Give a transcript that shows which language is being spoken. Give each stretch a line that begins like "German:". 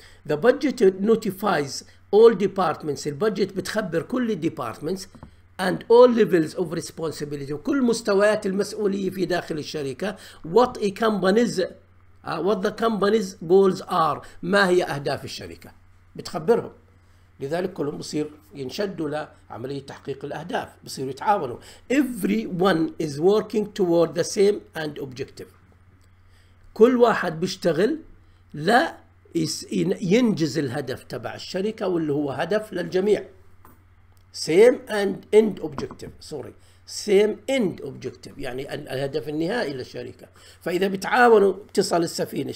English: The budget notifies all departments،
Arabic: البادجت بتخبر كل الديبارتمنتس
English: and all levels of responsibility،
Arabic: وكل مستويات المسؤولية في داخل الشركة.
English: What a company's what the company's goals are،
Arabic: ما هي أهداف الشركة، بتخبرهم. لذلك كلهم بصير ينشدوا لعملية تحقيق الأهداف، بصير يتعاونوا.
English: Everyone is working toward the same and objective.
Arabic: كل واحد بيشتغل لا ينجز الهدف تبع الشركة واللي هو هدف للجميع.
English: Same and end objective. Sorry. Same end objective.
Arabic: يعني الهدف النهائي للشركة. فإذا بتعاونوا بتصل السفينة.